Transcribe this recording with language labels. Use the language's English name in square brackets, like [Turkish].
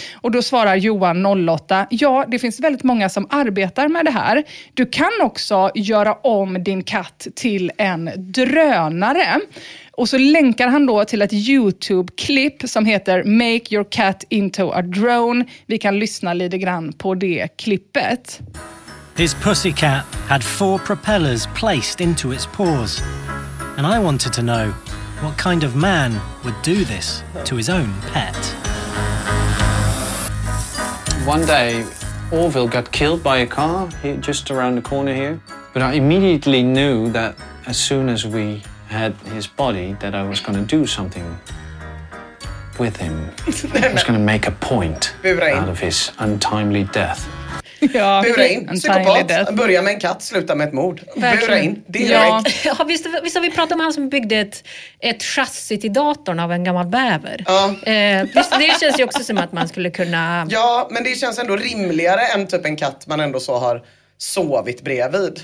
[Swedish] Och då svarar Johan 08: ja, det finns väldigt många som arbetar med det här. Du kan också göra om din katt till en drönare. Och så länkar han då till ett YouTube-klipp som heter Make Your Cat Into a Drone. Vi kan lyssna lite grann på det klippet. [English] His pussycat had four propellers placed into its paws. and I wanted to know what kind of man would do this to his own pet. One day, Orville got killed by a car just around the corner here. But I immediately knew that as soon as we had his body, that I was going to do something with him. I was going to make a point out of his untimely death. [Swedish] Ja, bura in, psykopat, börja med en katt, sluta med ett mord. Verkligen. Bura in, direkt. Ja. Ja, visst har vi pratat om han som byggde ett chassi till datorn av en gammal bäver. Ja. Visst, det känns ju också som att man skulle kunna... Ja, men det känns ändå rimligare än typ en katt man ändå så har sovit bredvid.